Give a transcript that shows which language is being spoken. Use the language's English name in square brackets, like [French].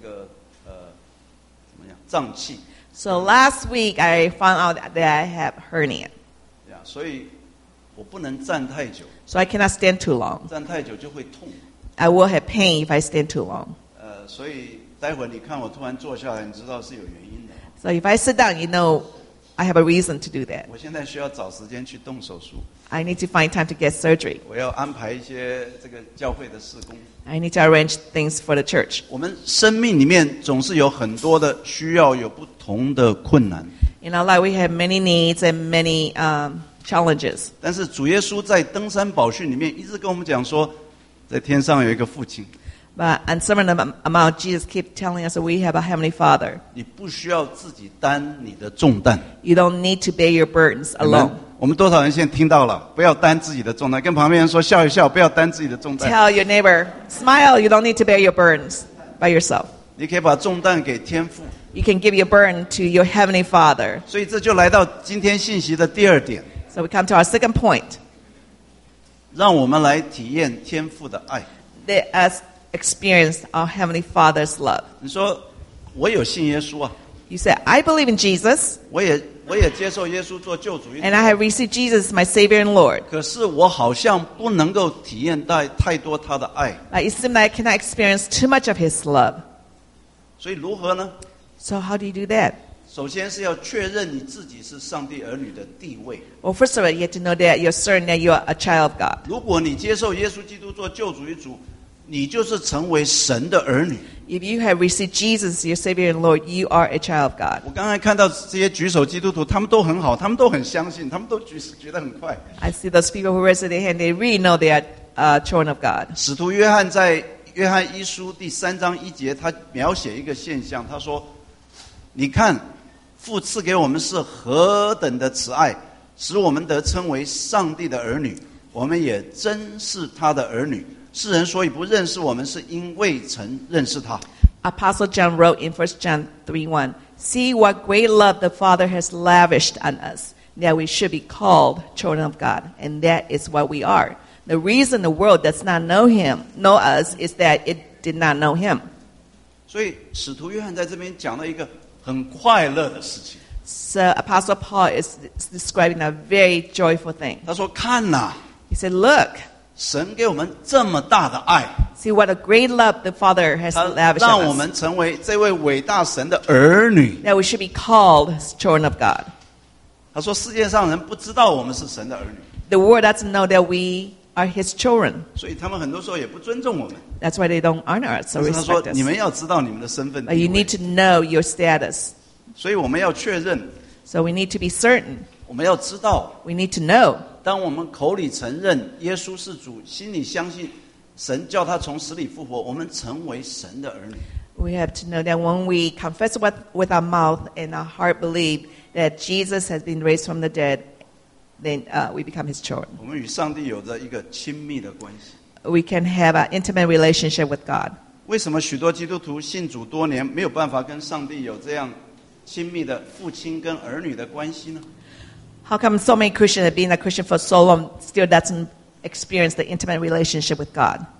[Chinese] 上个礼拜一发现我有这个怎么样胀气。 [English] So last week I found out that I have hernia. [Chinese] Yeah, 所以我不能站太久。 [English] So I cannot stand too long. [Chinese] 站太久就会痛。 [English] I will have pain if I stand too long. [Chinese] 所以待会你看我突然坐下来，你知道是有原因的。 [English] So if I sit down, you know I have a reason to do that. [Chinese] 我现在需要找时间去动手术。 [English] I need to find time to get surgery. [Chinese] 我要安排一些这个教会的事工。 [English] I need to arrange things for the church. [Chinese] 我们生命里面总是有很多的需要，有不同的困难。 [English] In our life, we have many needs and many challenges. [Chinese] 但是主耶稣在登山宝训里面一直跟我们讲说，在天上有一个父亲。 [English] But on some amount, Jesus keep telling us that we have a heavenly Father. [Chinese] 你不需要自己担你的重担。 [English] You don't need to bear your burdens alone. [Chinese] 我们多少人现在听到了，不要担自己的重担，跟旁边人说笑一笑，不要担自己的重担。 [English] Tell your neighbor, smile. You don't need to bear your burdens by yourself. [Chinese] 你可以把重担给天父。 [English] You can give your burden to your heavenly Father. [Chinese] 所以这就来到今天信息的第二点。 [English] So we come to our second point. [Chinese] 让我们来体验天父的爱。 [English] Experience our Heavenly Father's love. [Chinese] 你说我有信耶稣啊。 [English] You said, I believe in Jesus. [Chinese] 我也接受耶稣做救主。 [English] And I have received Jesus as my Savior and Lord. [Chinese] 可是我好像不能够体验到太多他的爱。 [English] It seems that I cannot experience too much of his love. [Chinese] 所以如何呢？ [English] So how do you do that? [Chinese] 首先是要确认你自己是上帝儿女的地位。 [English] Well, first of all, you have to know that you're certain that you are a child of God. [Chinese] 如果你接受耶稣基督做救主与主，你就是成为神的儿女。 [English] If you have received Jesus, your Savior and Lord, you are a child of God. [Chinese] 我刚才看到这些举手基督徒，他们都很好，他们都很相信，他们都觉得很快。 [English] I see those people who raised their hand, they really know they are children of God. [Chinese] 使徒约翰在约翰一书第三章一节，他描写一个现象，他说：“你看，父赐给我们是何等的慈爱，使我们得称为上帝的儿女，我们也真是他的儿女。” 世人所以不认识我们，是因为曾认识他。 [English] Apostle John wrote in 1 John 3:1, See what great love the Father has lavished on us, that we should be called children of God, and that is what we are. The reason the world does not know us, is that it did not know him. [Chinese] 所以使徒约翰在这边讲了一个很快乐的事情。 [English] So Apostle Paul is describing a very joyful thing. [Chinese] 他说看哪。 [English] He said, look. [Chinese] 神给我们这么大的爱。 [English] See what a great love the Father has lavished on us. [Chinese] 让我们成为这位伟大神的儿女。 [English] That we should be called children of God. [Chinese] 他说世界上人不知道我们是神的儿女。 [English] The world doesn't know that we are his children. [Chinese] 所以他们很多时候也不尊重我们。 [English] That's why they don't honor us or respect us. [Chinese] 但是他说你们要知道你们的身份地位。 [English] But you need to know your status. [Chinese] 所以我们要确认。 [English] So we need to be certain. [Chinese] 我们要知道。 [English] We need to know. [Chinese] 当我们口里承认耶稣是主，心里相信神叫他从死里复活，我们成为神的儿女。 [English] We have to know that when we confess with our mouth and our heart believe that Jesus has been raised from the dead, then we become his children. [Chinese] 我们与上帝有着一个亲密的关系。 [English] We can have an intimate relationship with God. [Chinese] 为什么许多基督徒信主多年没有办法跟上帝有这样亲密的父亲跟儿女的关系呢？ [English] How come so many Christians have been a Christian for so long still doesn't experience the intimate relationship with God?